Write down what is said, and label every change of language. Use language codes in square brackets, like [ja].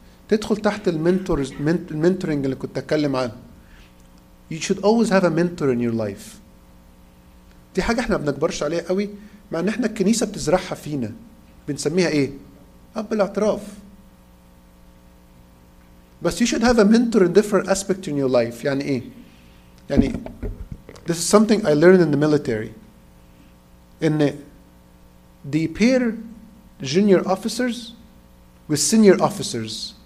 [ar] تدخل تحت المنتورينج اللي كنت أتكلم عنه. [en] You should always have a mentor in your life. [ar] دي حاجة احنا بنكبرش عليها قوي مع ان احنا الكنيسة بتزرعها فينا. بنسميها ايه؟ أب الاعتراف. [en] But you should have a mentor in different aspects in your life. [ar] يعني ايه؟ يعني [en] this is something I learned in the military. [ar] ان [en] the pair junior officers with senior officers.